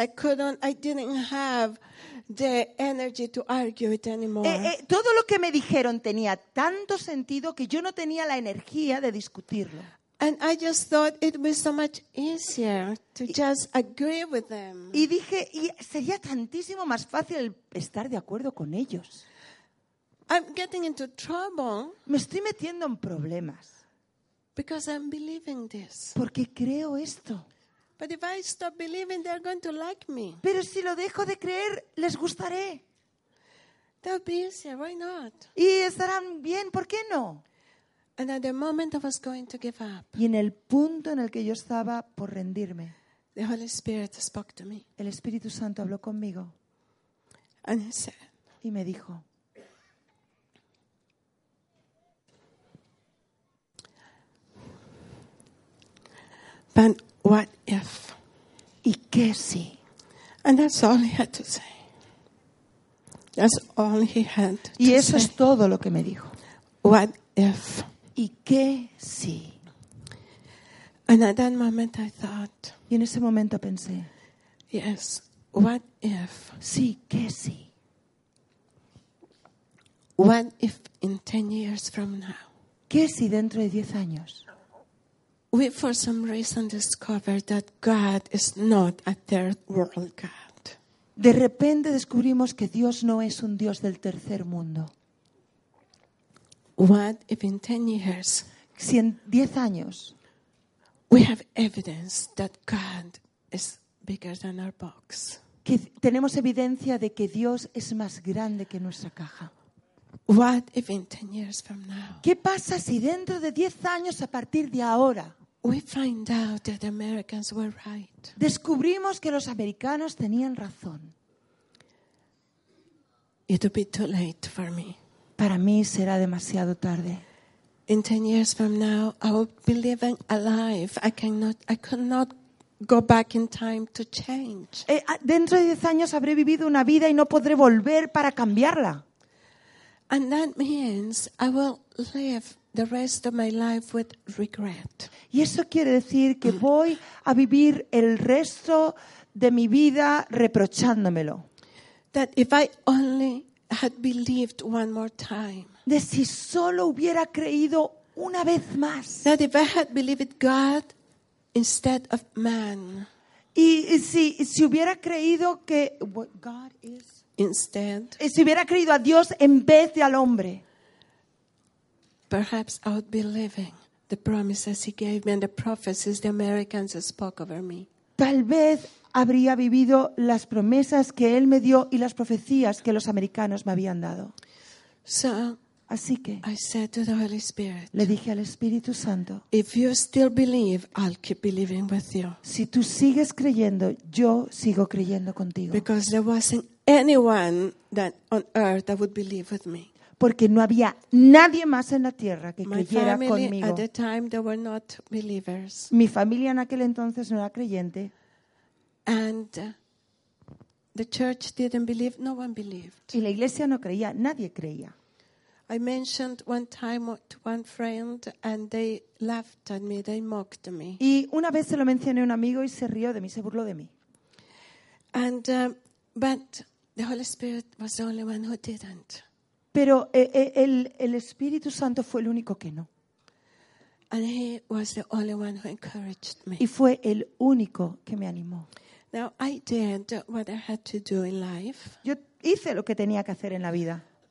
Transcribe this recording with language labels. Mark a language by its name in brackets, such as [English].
[English] I didn't have the energy to argue it anymore. [Spanish] Todo lo que me dijeron tenía tanto sentido que yo no tenía la energía de discutirlo. [English] And I just thought it would be so much easier to just agree with them. [Spanish] Y dije, y sería tantísimo más fácil estar de acuerdo con ellos. [English] I'm getting into trouble. [Spanish] Me estoy metiendo en problemas. [English] Because I'm believing this. [Spanish] Porque creo esto. [English] But if I stop believing, they're going to like me. [Spanish] Pero si lo dejo de creer, les gustaré. [English] They'll be easier, why not? [Spanish] Y estarán bien, ¿por qué no? [English] And at the moment I was going to give up. [Spanish] Y en el punto en el que yo estaba por rendirme. [English] The Holy Spirit spoke to me. [Spanish] El Espíritu Santo habló conmigo. [English] And he said. [Spanish] Y me dijo. [English] But what if? [Spanish] ¿Y qué si? [English] And that's all he had to say. That's all he had to say. [Spanish] Y eso es todo lo que me dijo. [English] What if? [Spanish] ¿Y qué si? [English] And at that moment I thought. [Spanish] Y en ese momento pensé. [English] Yes. What if? [Spanish] Sí, qué si. [English] What if in 10 years from now? [Spanish] ¿Qué si dentro de 10 años? [English] We, for some reason, discovered that God is not a third world God. [Spanish] De repente descubrimos que Dios no es un Dios del tercer mundo. [English] What if in 10 years? [Spanish] Si en 10 años. [English] We have evidence that God is bigger than our box. [Spanish] Que tenemos evidencia de que Dios es más grande que nuestra caja. [English] What if in 10 years from now? [Spanish] ¿Qué pasa si dentro de 10 años a partir de ahora? [English] We find out that the Americans were right. [Spanish] Descubrimos que los americanos tenían razón. [English] It will be too late for me. [Spanish] Para mí será demasiado tarde. [English] In 10 years from now, I will be living a life I cannot go back in time to change. [Spanish] Dentro de 10 años habré vivido una vida y no podré volver para cambiarla. [English] And that means I will live the rest of my life with regret. [Spanish] Y eso quiere decir que voy a vivir el resto de mi vida reprochándomelo. [English] That if I only had believed one more time. [Spanish] De si solo hubiera creído una vez más. [English] That if I had believed God instead of man. [Spanish] Y si hubiera creído que [English] what God is instead. [Spanish] Y si hubiera creído a Dios en vez de al hombre. [English] Perhaps I would be living the promises he gave me and the prophecies the Americans spoke over me. [Spanish] Tal vez habría vivido las promesas que él me dio y las profecías que los americanos me habían dado. [English] So, [Spanish] así que [English] I said to the Holy Spirit, [Spanish] le dije al Espíritu Santo, [English] if you still believe, I'll keep believing with you. [Spanish] Si tú sigues creyendo, yo sigo creyendo contigo. [English] Because there wasn't anyone that on earth that would believe with me. [Spanish] Porque no había nadie más en la tierra que creyera conmigo. [English] At the time, they were not believers. [Spanish] Mi familia en aquel entonces no era creyente. [English] And the church didn't believe, no one believed. [Spanish] Y la iglesia no creía, nadie creía. [English] I mentioned one time to one friend and they laughed at me, they mocked me. [Spanish] Y una vez se lo mencioné a un amigo y se rió de mí, se burló de mí. [English] And but the Holy Spirit was the only one who didn't. [Spanish] Pero el Espíritu Santo fue el único que no. [English] And he was the only one who encouraged me. [Spanish] Y fue el único que me animó. [English] Now, I did what I had to do in life. [Spanish] Yo hice lo que tenía que hacer en la vida.